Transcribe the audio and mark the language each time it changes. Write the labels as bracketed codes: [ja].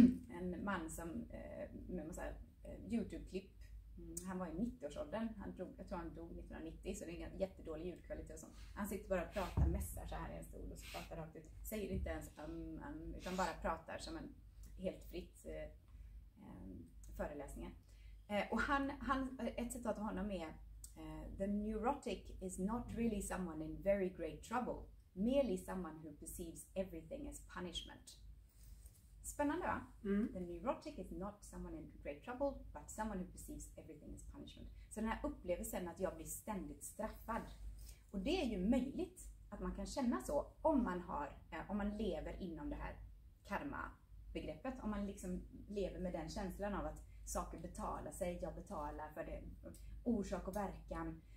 [sv] En man som, med en YouTube-klipp, han var i 90-årsåldern, jag tror han dog 1990, så det är ingen jättedålig ljudkvalitet och sånt. Han sitter bara och pratar, mässar så här i en stol och så pratar rakt ut. Säger inte ens utan bara pratar som en helt fritt föreläsning. Och ett citat av honom är [en] "The neurotic is not really someone in very great trouble, merely someone who perceives everything as punishment." [sv] Spännande va? Mm. [en] The neurotic is not someone in great trouble, but someone who perceives everything as punishment. [sv] Så den här upplevelsen att jag blir ständigt straffad. Och det är ju möjligt att man kan känna så om man har, om man lever inom det här karma-begreppet. Om man liksom lever med den känslan av att saker betalar sig, jag betalar för det, orsak och verkan.